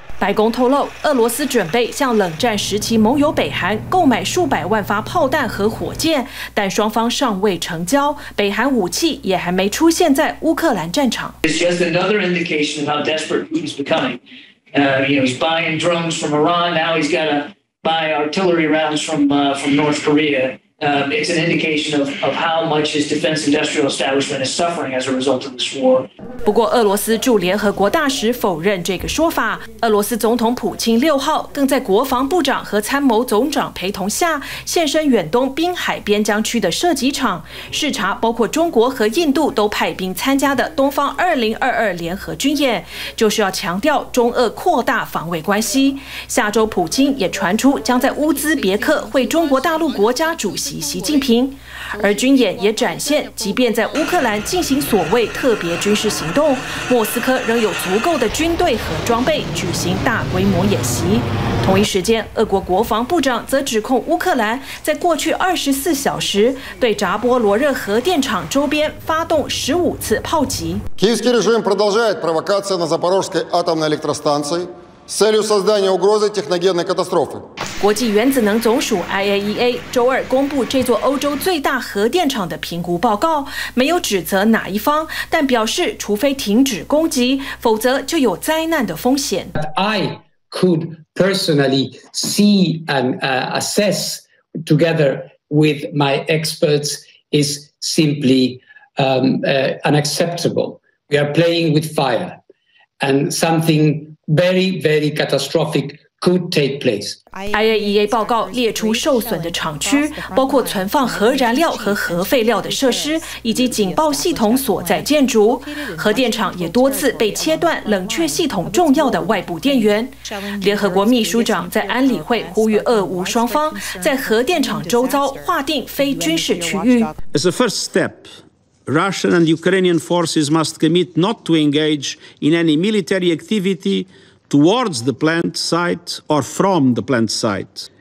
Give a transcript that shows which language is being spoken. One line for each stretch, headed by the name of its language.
Chinese: 白宫透露，俄罗斯准备向冷战时期盟友北韩购买数百万发炮弹和火箭，但双方尚未成交，北韩武器也还没出现在乌克兰战场。
English: It's just another indication of how desperate Putin's becoming. He's buying drones from Iran, now he's got to buy artillery rounds from North Korea. It's an indication of how much his defense industrial establishment is suffering as a result of this war.
Chinese: 不过，俄罗斯驻联合国大使否认这个说法。俄罗斯总统普京六号更在国防部长和参谋总长陪同下现身远东滨海边疆区的射击场，视察包括中国和印度都派兵参加的东方2022联合军演，就是要强调中俄扩大防卫关系。下周，普京也传出将在乌兹别克会中国大陆国家主席习近平，而军演也展现，即便在乌克兰进行所谓特别军事行动，莫斯科仍有足够的军队和装备举行大规模演习。同一时间，俄国国防部长则指控乌克兰在过去24小时对扎波罗热核电厂周边发动15次炮击。
Russian: Киевский режим продолжает провокации на Запорожской атомной электростанции с целью создания угрозы техногенной катастрофы。
Chinese: 国际原子能总署 IAEA 周二公布这座欧洲最大核电厂的评估报告，没有指责哪一方，但表示除非停止攻击，否则就有灾难的风险。
English: I could personally see and assess together with my experts is simply unacceptable. We are playing with fire, and something very, very catastrophic. Could take place.
Chinese: IAEA 报告列出受损的厂区，包括存放核燃料和核废料的设施，以及警报系统所在建筑。核电厂也多次被切断冷却系统重要的外部电源。联合国秘书长在安理会呼吁俄乌双方在核电厂周遭划定非军事区域。
English: As a first step, Russian and Ukrainian forces must commit not to engage in any military activity. Towards the plant site or from the plant site.